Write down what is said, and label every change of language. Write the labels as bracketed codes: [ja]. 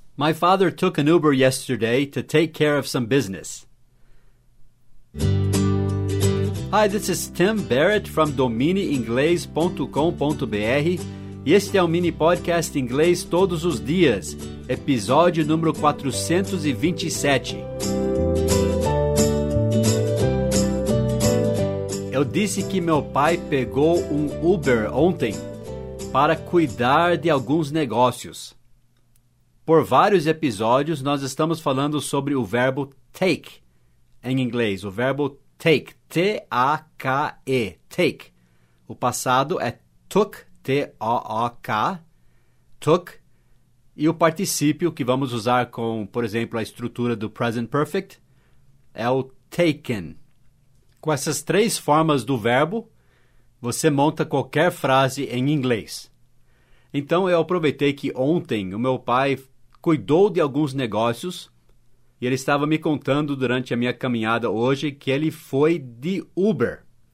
[en] My father took an Uber yesterday to take care of some business. Hi, this is Tim Barrett from DomineInglês.com.br [pt] e este é o mini podcast Inglês Todos os Dias, episódio número 427. Eu disse que meu pai pegou um Uber ontem para cuidar de alguns negócios. Por vários episódios, nós estamos falando sobre o verbo take em inglês. O verbo take, T-A-K-E, take. O passado é took, T-O-O-K, took. E o particípio que vamos usar com, por exemplo, a estrutura do present perfect é o taken. Com essas três formas do verbo, você monta qualquer frase em inglês. Então, eu aproveitei que ontem o meu pai cuidou de alguns negócios e ele estava me contando durante a minha caminhada hoje que ele foi de Uber.